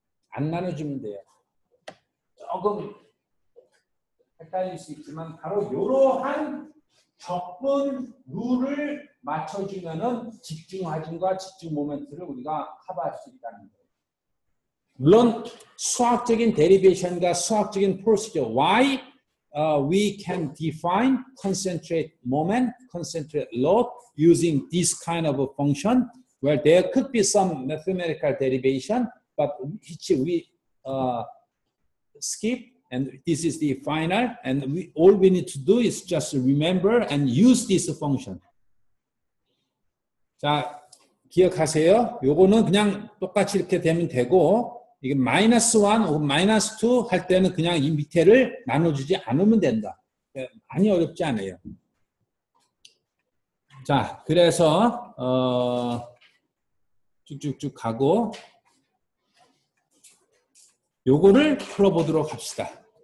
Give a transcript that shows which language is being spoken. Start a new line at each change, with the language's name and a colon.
Korean: 안 나눠주면 돼요. 조금 헷갈릴 수 있지만 바로 이러한 적분 룰을 맞춰주면은 집중화진과 집중 모멘트를 우리가 커버할 수 있다는 거예요. 물론 수학적인 데리베이션과 수학적인 프로시저
English: why we can define concentrate moment, concentrate load using this kind of a function where there could be some mathematical derivation but which we skip and this is the final and we all we need to do is just remember and use this function.
Korean: 자 기억하세요. 요거는 그냥 똑같이 이렇게 되면 되고 이게 마이너스 1 혹은 마이너스 2 할 때는 그냥 이 밑에를 나눠주지 않으면 된다. 많이 어렵지 않아요. 자 그래서 쭉쭉쭉 가고 요거를 풀어보도록 합시다.